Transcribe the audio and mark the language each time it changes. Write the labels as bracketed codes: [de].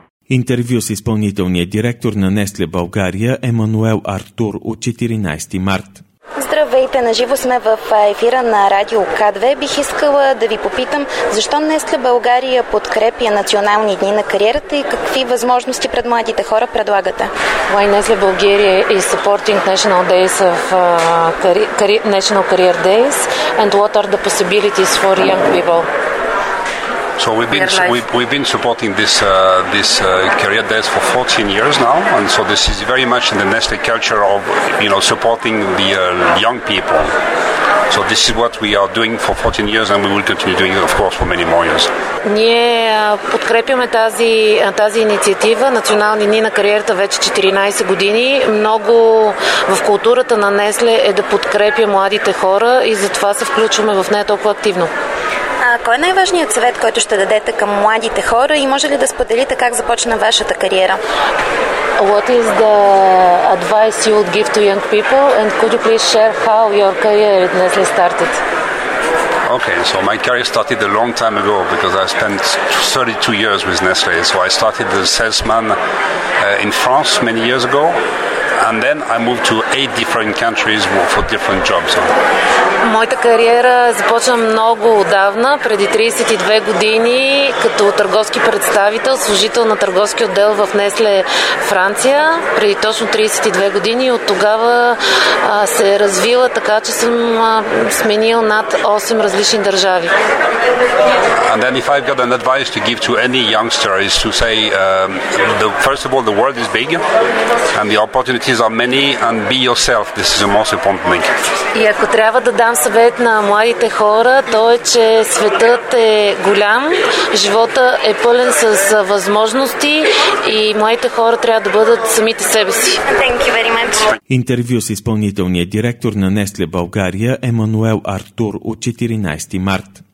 [bg] Интервю с изпълнителния директор на Nestle България Емануел Артур от 14 март. Здравейте, наживо сме в ефира на Радио К2. Бих искала да ви попитам, защо Nestle България подкрепя национални дни на кариерата и какви възможности пред младите хора предлагате? [en] Why Nestle България is supporting National Days of National Career Days and what are the possibilities for young people? So we've been supporting this career days for 14 years now, and so this is very much in the Nestle culture of, you know, supporting the young people. So this is what we are doing for 14 years and we will continue doing it, of course, for many more years. [bg] Ние подкрепяме тази инициатива Национални дни на кариерата вече 14 години. Много в културата на Nestle е да подкрепя младите хора и затова се включваме в нея толкова активно. Кой е най-важният съвет, който ще дадете към младите хора и може ли да споделите как започна вашата кариера? [en] What is the advice you would give to young people and could you please share how your career at Nestle started? Okay, so my career started a long time ago because I spent 32 years with Nestle. So I started as a salesman in France many years ago. And then I moved to 8 different countries for different jobs. [bg] Моята кариера започна много отдавна, преди 32 години, като търговски представител, служител на търговски отдел в Nestle Франция, преди точно 32 години. От тогава се е развила така, че съм сменил над 8 различни държави. [en] And then if I've got an advice to give to any youngster is to say, first of all, the world is big and the opportunities are many and be yourself. This is the most important thing. [bg] И ако трябва да дам съвет на младите хора, то е, че светът е голям, живота е пълен с възможности и младите хора трябва да бъдат самите себе си. [en] Thank you very much. [bg] Интервю с изпълнителния директор на Nestle България Емануел Артур от 14 март.